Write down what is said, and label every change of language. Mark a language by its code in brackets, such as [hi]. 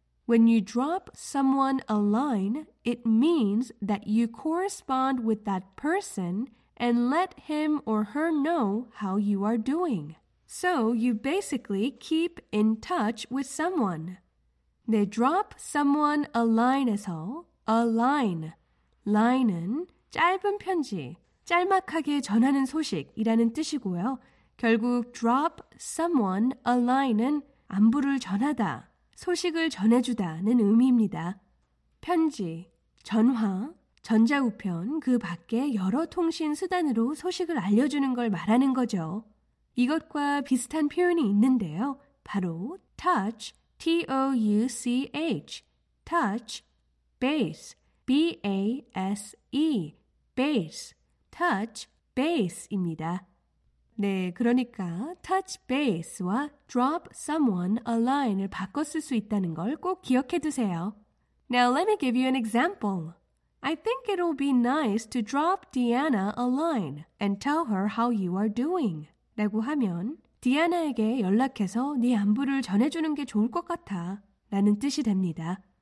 [en] When you drop someone a line, it means that you correspond with that person and let him or her know how you are doing. So you basically keep in touch with someone. [ko] 네, drop someone a line에서 a line. Line은 짧은 편지, 짤막하게 전하는 소식이라는 뜻이고요. 결국 drop someone a line은 안부를 전하다, 소식을 전해주다는 의미입니다. 편지, 전화, 전자우편, 그 밖에 여러 통신 수단으로 소식을 알려주는 걸 말하는 거죠. 이것과 비슷한 표현이 있는데요. 바로 touch, T-O-U-C-H, touch, base, B-A-S-E, base, touch, base입니다. 네, 그러니까 touch base와 drop someone a line을 바꿔 쓸 수 있다는 걸 꼭 기억해 두세요. [en] Now let me give you an example. I think it'll be nice to drop Deanna a line and tell her how you are doing. [ko] 라고 하면 디애나에게 연락해서 네 안부를 전해주는 게 좋을 것 같아 라는 뜻이 됩니다.